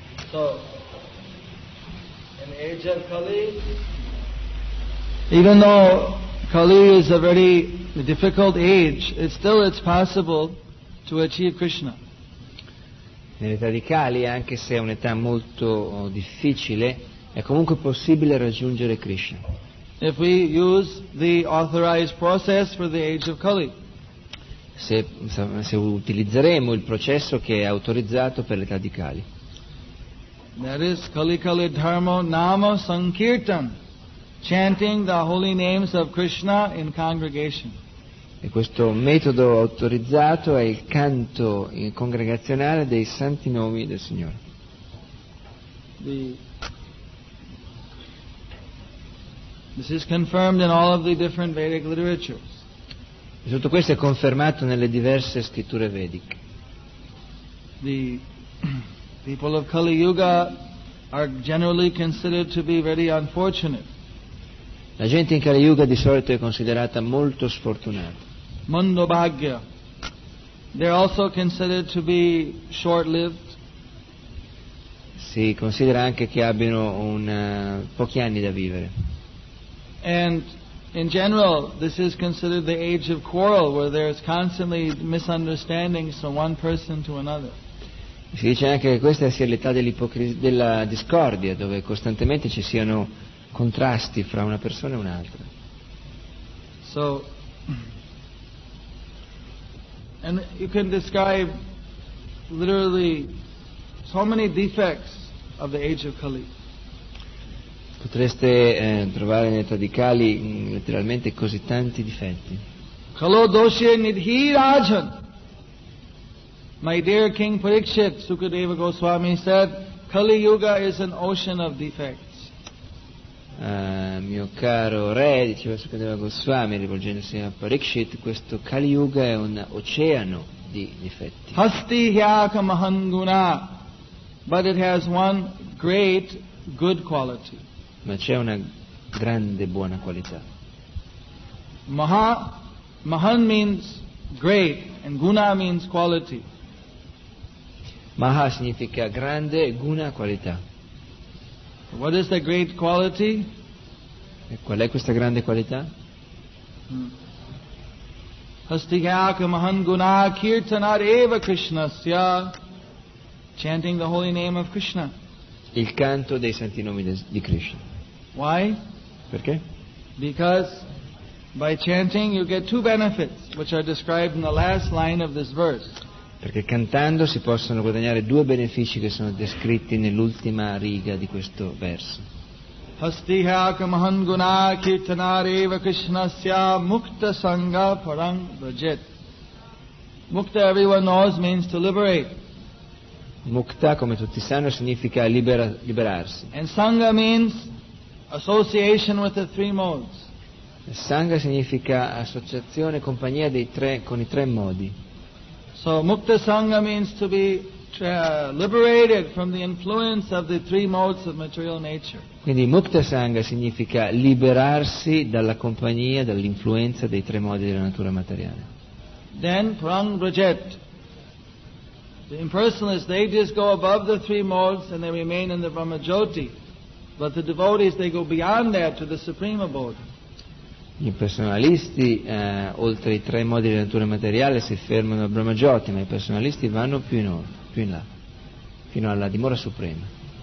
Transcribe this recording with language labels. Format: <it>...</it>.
<en>So, in the age of Kali, even though Kali is a very difficult age, it's still it's possible to achieve Krishna.</en> <it>Nell'età di Kali, anche se è un'età molto difficile, è comunque possibile raggiungere Krishna.</it> <en>If we use the authorized process for the age of Kali.</en> <it>Se utilizzeremo il processo che è autorizzato per l'età di Kali.</it> <en>That is</en> <sa>Kali Kali Dharma Nama Sankirtan,</sa> <en>chanting the holy names of Krishna in congregation.</en> <it>E questo metodo autorizzato è il canto congregazionale dei santi nomi del Signore.</it> <en>This is confirmed in all of the different Vedic literatures.</en> <it>E tutto questo è confermato nelle diverse scritture vediche.</it> <en>The people of Kali Yuga are generally considered to be very unfortunate.</en> <it>La gente in Kali Yuga di solito è considerata molto sfortunata.</it> <sa>Mundo Bhagya.</sa> <en>They're also considered to be short-lived.</en> <it>Si considera anche che abbiano pochi anni da vivere.</it> <en>And in general, this is considered the age of quarrel, where there is constantly misunderstandings from one person to another.</en> <it>Si dice anche che questa sia l'età della discordia, dove costantemente ci siano contrasti fra una persona e un'altra.</it> <en>So, and you can describe literally so many defects of the age of Kali.</en> <it>Potreste trovare nell'età di Kali letteralmente così tanti difetti.</it> <sa>Kalo doshe nidhi rajan.</sa> <en>My dear King Parikshit, Sukadeva Goswami said, Kali Yuga is an ocean of defects.</en> <it>Mio caro re, diceva Sukadeva Goswami, rivolgendosi a Parikshit, questo Kali Yuga è un oceano di difetti.</it> <sa>Hasti hyaka mahanguna,</sa> <en>but it has one great good quality.</en> <it>Ma c'è una grande buona qualità.</it> <en>Mahan means great and guna means quality.</en> <it>Maha significa grande, guna, qualità.</it> <en>What is the great quality?</en> <it>E qual è questa grande qualità?</it> <sa>Hastigyaka mahan guna kirtanat eva krishnasya.</sa> <en>Chanting the holy name of Krishna.</en> <it>Il canto dei santi nomi di Krishna.</it> <en>Why?</en> <it>Perché?</it> <en>Because by chanting you get two benefits which are described in the last line of this verse.</en> <it>Perché cantando si possono guadagnare due benefici che sono descritti nell'ultima riga di questo verso.</it> <sa>Hastihaka mahanguna kirtanareva krishnasya mukta sangha parang rajit.</sa> <en>Mukta, everyone knows, means to liberate.</en> <it>Mukta, come tutti sanno, significa liberarsi.</it> <en>And sangha means association with the three modes.</en> <it>Sangha significa associazione, compagnia dei tre, con i tre modi.</it> <en>So mukta sangha means to be liberated from the influence of the three modes of material nature.</en> <it>Quindi mukta sangha significa liberarsi dalla compagnia, dall'influenza dei tre modi della natura materiale.</it> <sa>Then prang rajet.</sa> <en>The impersonalists, they just go above the three modes and they remain in the Brahma Jyoti. But the devotees, they go beyond that to the supreme abode.</en> <it>Gli impersonalisti, oltre i tre modi di natura materiale, si fermano a Brahma Jyoti, ma i personalisti vanno più in là, fino alla dimora suprema.</it>